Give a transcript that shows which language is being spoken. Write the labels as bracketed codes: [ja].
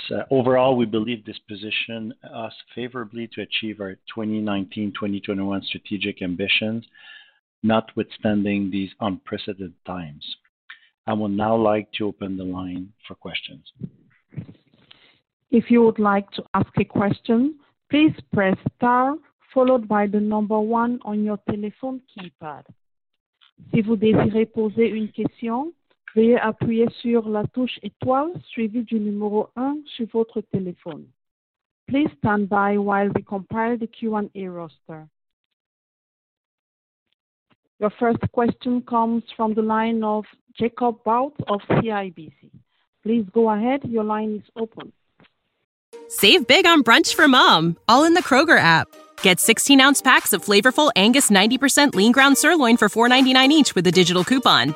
[en] Overall, we believe this positions us favorably to achieve our 2019-2021 strategic ambitions, notwithstanding these unprecedented times. I would now like to open the line for questions. If you would like to ask a question, please press star followed by the number one on your telephone keypad. [fr] Si vous désirez poser une question, veuillez appuyer sur la touche étoile suivie du numéro 1 sur votre téléphone. [en] Please stand by while we compile the Q&A roster. Your first question comes from the line of Jacob Bout of CIBC. Please go ahead. Your line is open. Save big on brunch for mom, all in the Kroger app. Get 16-ounce packs of flavorful Angus 90% lean ground sirloin for $4.99 each with a digital coupon.